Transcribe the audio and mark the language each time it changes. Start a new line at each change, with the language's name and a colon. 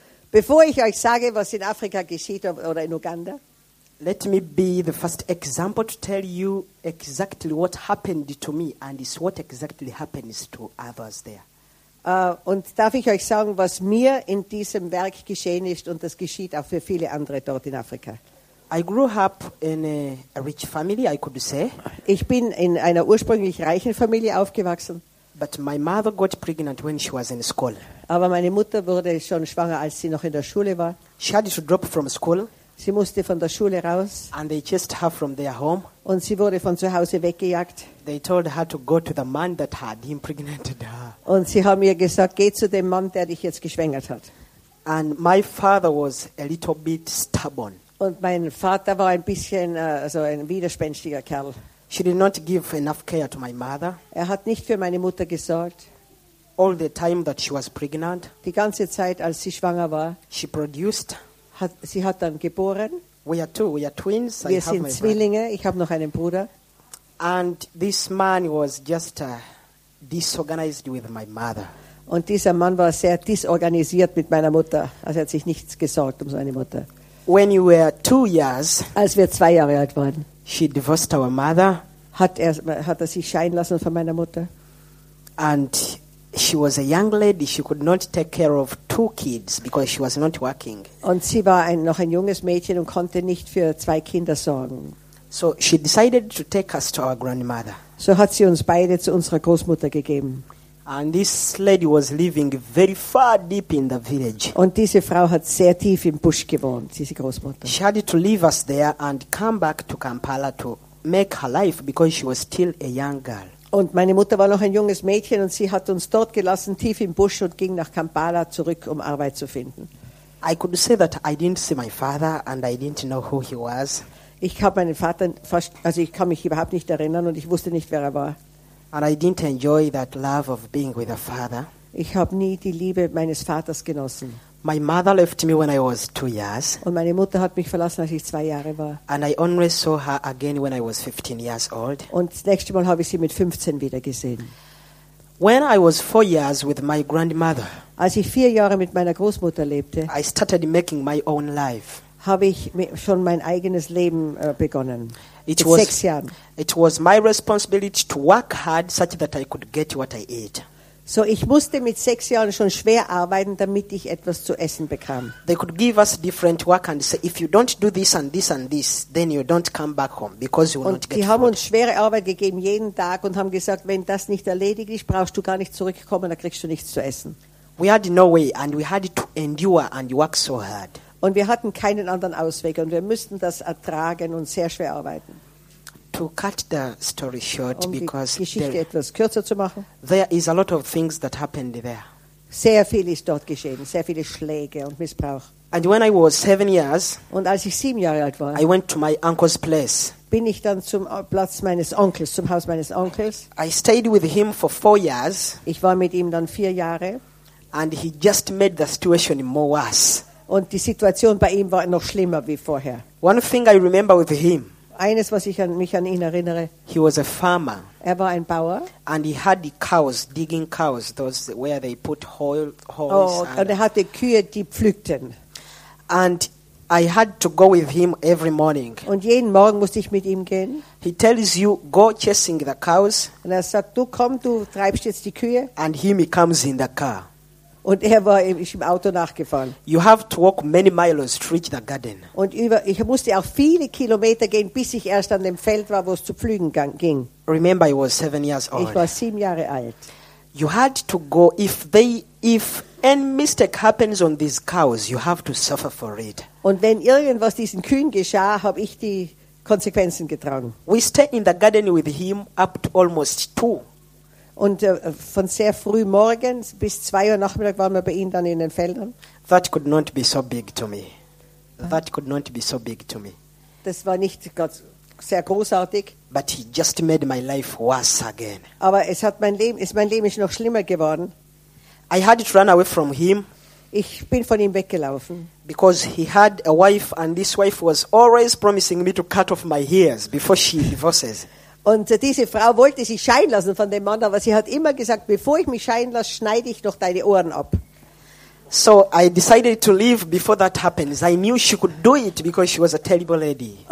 German: Bevor ich euch sage, was in Afrika geschieht oder in Uganda,
English: let me be the first example to tell you exactly what happened to me and it's what exactly happens to others there.
German: Und darf ich euch sagen, was mir in diesem Werk geschehen ist und das geschieht auch für viele andere dort in Afrika.
English: I grew up in a rich family, I could say.
German: Ich bin in einer ursprünglich reichen Familie aufgewachsen.
English: But my mother got pregnant when she was in school.
German: Aber meine Mutter wurde schon schwanger, als sie noch in der Schule war.
English: She had to drop from school.
German: Sie musste von der Schule raus.
English: And they chased her from their home.
German: Und sie wurde von zu Hause weggejagt.
English: They told her to go to the man that had impregnated her.
German: Und sie haben ihr gesagt, geh zu dem Mann, der dich jetzt geschwängert hat.
English: And my father was a little bit stubborn.
German: Und mein Vater war ein bisschen so ein widerspenstiger Kerl.
English: She did not give enough care to my mother.
German: Er hat nicht für meine Mutter gesorgt.
English: All the time that she was pregnant.
German: Die ganze Zeit, als sie schwanger war.
English: She produced.
German: Sie hat dann geboren.
English: We are twins.
German: Wir sind Zwillinge. Ich habe noch einen Bruder.
English: And this man was just disorganized with my mother.
German: Und dieser Mann war sehr disorganisiert mit meiner Mutter. Also er hat sich nichts gesorgt um seine Mutter.
English: When you were 2 years,
German: als wir 2 Jahre alt waren,
English: she divorced our mother.
German: Hat er sich scheiden lassen von meiner Mutter.
English: And she was a young lady. She could not take care of 2 kids because she was not working.
German: Und sie war noch ein junges Mädchen und konnte nicht für 2 Kinder sorgen.
English: So she decided to take us to our grandmother.
German: So hat sie uns beide zu unserer Großmutter gegeben.
English: And this lady was living very far deep in the village.
German: Und diese Frau hat sehr tief im Busch gewohnt, diese Großmutter.
English: She had to leave us there and come back to Kampala to make her life because she was still a young girl.
German: Und meine Mutter war noch ein junges Mädchen und sie hat uns dort gelassen, tief im Busch, und ging nach Kampala zurück, um Arbeit zu finden.
English: I could say that I didn't see my father and I didn't know who he was.
German: Ich habe meinen Vater fast, also ich kann mich überhaupt nicht erinnern und ich wusste nicht, wer er war.
English: And I didn't enjoy that love of being with a father.
German: Ich habe nie die Liebe meines Vaters genossen.
English: My mother left me when I was 2 years.
German: Und meine Mutter hat mich verlassen, als ich 2 Jahre war.
English: And I only saw her again when I was 15 years old.
German: Und das nächste Mal habe ich sie mit 15 wieder gesehen.
English: When I was 4 years with my grandmother.
German: Als ich 4 Jahre mit meiner Großmutter lebte.
English: I started making my own life.
German: Habe ich schon mein eigenes Leben begonnen.
English: It was
German: 6 Jahren.
English: It was my responsibility to work hard such that I could get what I ate.
German: So ich musste mit 6 Jahren schon schwer arbeiten, damit ich etwas zu essen bekam.
English: They could give us different work and say, if you don't do this and this and this, then you don't come back home because you will not get food.
German: Und die haben uns schwere Arbeit gegeben jeden Tag und haben gesagt, wenn das nicht erledigt ist, brauchst du gar nicht zurückkommen, dann kriegst du nichts zu essen.
English: We had no way and we had to endure and work so hard.
German: Und wir hatten keinen anderen Ausweg und wir müssten das ertragen und sehr schwer arbeiten.
English: To cut the story short, because
German: Geschichte etwas kürzer zu machen.
English: There is a lot of things that happened there.
German: Sehr viel ist dort geschehen, sehr viele Schläge und Missbrauch.
English: And when I was 7 years,
German: und als ich 7 Jahre alt war,
English: I went to my uncle's place.
German: Bin ich dann zum Platz meines Onkels, zum Haus meines Onkels.
English: I stayed with him for 4 years.
German: Ich war mit ihm dann 4 Jahre.
English: And he just made the situation more worse.
German: Und die Situation bei ihm war noch schlimmer wie vorher.
English: One thing I remember with him.
German: Eines, was ich mich an ihn erinnere.
English: He was a farmer.
German: Er war ein Bauer.
English: And he had the cows, digging cows, those where they put holes.
German: Und er hatte Kühe, die pflückten.
English: And I had to go with him every morning.
German: Und jeden Morgen musste ich mit ihm gehen.
English: He tells you, go chasing the cows.
German: Und er sagt, du komm, du treibst jetzt die Kühe.
English: And he comes in the car.
German: Und er war im Auto nachgefahren.
English: You have to walk many miles to reach the garden.
German: Und ich musste auch viele Kilometer gehen, bis ich erst an dem Feld war, wo es zu pflügen ging.
English: Remember, I was 7 years old.
German: Ich war 7 Jahre alt.
English: You had to go if any mistake happens on these cows, you have to suffer for it.
German: Und wenn irgendwas diesen Kühen geschah, habe ich die Konsequenzen getragen.
English: We stayed in the garden with him up to almost 2.
German: Und von sehr früh morgens bis 2 Uhr Nachmittag waren wir bei ihm dann in den Feldern.
English: That could not be so big to me. That could not be so big to me.
German: Das war nicht sehr großartig.
English: But he just made my life worse again.
German: Aber es hat mein Leben ist noch schlimmer geworden.
English: I had to run away from him.
German: Ich bin von ihm weggelaufen.
English: Because he had a wife and this wife was always promising me to cut off my ears before she divorces.
German: Und diese Frau wollte sich scheiden lassen von dem Mann, aber sie hat immer gesagt, bevor ich mich scheiden lasse, schneide ich doch deine Ohren ab.
English: So I decided to leave before that happens. I knew she could do it because she was a terrible lady.